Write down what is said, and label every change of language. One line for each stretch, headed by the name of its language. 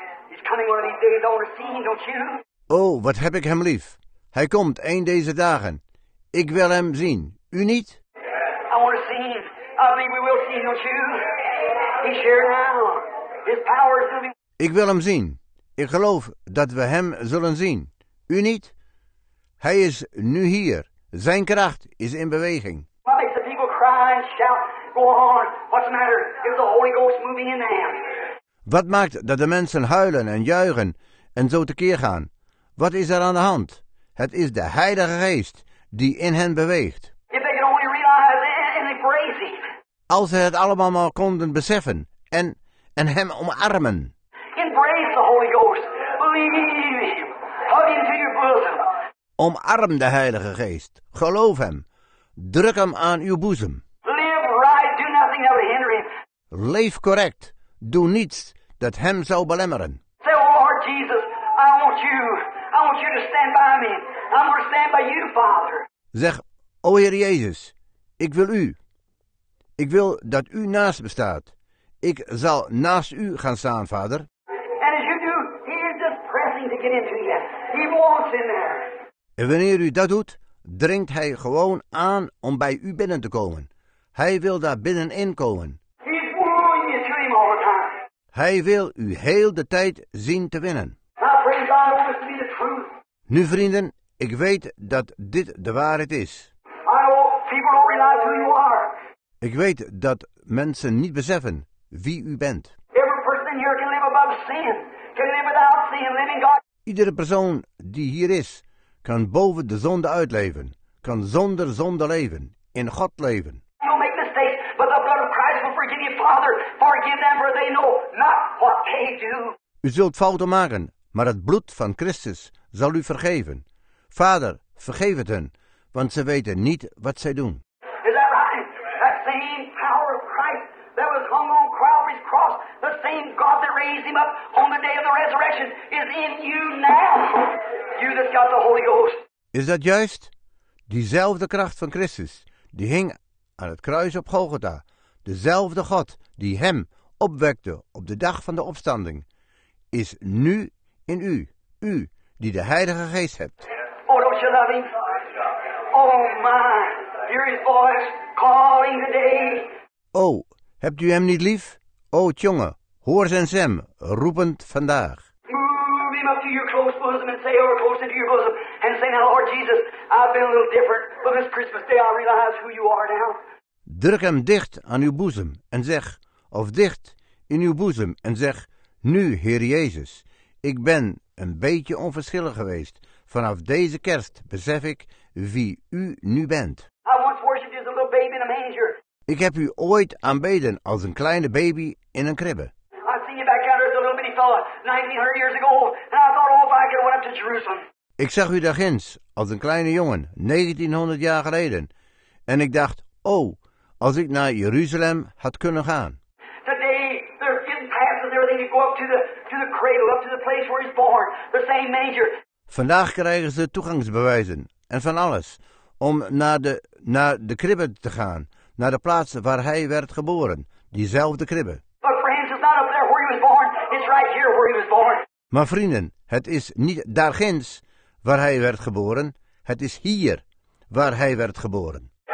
English: He's coming one of these days on the scene, don't you?
Dutch: Oh, wat heb ik hem lief. Hij komt een deze dagen. Ik wil hem zien. U niet?
English: I want to see him. I believe we will see him, don't you? He's here now. His power is moving.
Dutch: Ik wil hem zien. Ik geloof dat we hem zullen zien. U niet? Hij is nu hier. Zijn kracht is in beweging.
English: What makes the people cry and shout? Go on. What's the matter? Is the Holy Ghost moving in them?
Dutch: Wat maakt dat de mensen huilen en juichen en zo tekeer gaan? Wat is er aan de hand? Het is de Heilige Geest die in hen beweegt.
English: If they could only realize and embrace him.
Dutch: Als ze het allemaal maar konden beseffen en hem omarmen.
English: Embrace the Holy Ghost. Believe him. Hug him to your bosom.
Dutch: Omarm de Heilige Geest. Geloof hem. Druk hem aan uw boezem.
English: Live right. Do nothing that would hinder him.
Dutch: Leef correct. Doe niets dat hem zou belemmeren.
English: Say, Lord Jesus, I want you to stand by me. I'm going to stand by you, Father.
Dutch: Zeg, o Heer Jezus, ik wil u. Ik wil dat u naast me staat. Ik zal naast u gaan staan, Vader.
English: And as you do, he is just pressing to get into you. He wants in there.
Dutch: En wanneer u dat doet, dringt hij gewoon aan om bij u binnen te komen. Hij wil daar binnenin komen.
English: He's wooing you to him all the time.
Dutch: Hij wil u heel de tijd zien te winnen.
English: Now, praise God, all this to be the truth.
Dutch: Nu vrienden, ik weet dat dit de waarheid is.
English: I know people don't realize who you are.
Dutch: Ik weet dat mensen niet beseffen wie u bent.
English: Every person here can live above sin, can live without sin, living God.
Dutch: Iedere persoon die hier is, kan boven de zonde uitleven, kan zonder zonde leven, in God leven.
English: You'll make mistakes, but the blood of Christ will forgive you, Father. Forgive them, for they know not what they do.
Dutch: U zult fouten maken, maar het bloed van Christus zal u vergeven. Vader, vergeef het hen, want ze weten niet wat zij doen.
English: Is that right? That same power of Christ that was hung on Calvary's cross, the same God that raised him up on the day of the resurrection, is in you now. You just got the Holy Ghost.
Dutch: Is dat juist? Diezelfde kracht van Christus, die hing aan het kruis op Golgotha. Dezelfde God die hem opwekte op de dag van de opstanding, is nu in u. U die de Heilige Geest hebt.
English: Oh, don't you love him? Oh, my. Hear his voice calling today.
Dutch: Oh, hebt u hem niet lief? Oh, tjonge, hoor zijn stem roepend vandaag.
English: Move him up to your close bosom and say, or close into your bosom, and say, now, Lord Jesus, I've been a little different, but this Christmas day I realize who you are now.
Dutch: Druk hem dicht aan uw boezem en zeg, of dicht in uw boezem en zeg, nu, Heer Jezus, ik ben een beetje onverschillig geweest. Vanaf deze kerst besef ik wie u nu bent.
English: I once worshipped as a little baby in a manger.
Dutch: Ik heb u ooit aanbeden als een kleine baby in een kribbe.
English: I seen you back out as a little bitty fella, 1900 years ago, and I thought, oh, if I could have went up to Jerusalem.
Dutch: Ik zag u daar ginds als een kleine jongen, 1900 jaar geleden, en ik dacht, oh, als ik naar Jeruzalem had kunnen gaan.
English: Today, they're getting past and everything. You go up to the cradle, up to the place where he's born, the same manger.
Dutch: Vandaag krijgen ze toegangsbewijzen en van alles om naar de kribbe te gaan, naar de plaats waar hij werd geboren, diezelfde kribbe.
English: But friends, it's not up there where he was born, it's right here where he was born.
Dutch: Maar vrienden, het is niet daar ginds waar hij werd geboren, het is hier waar hij werd geboren.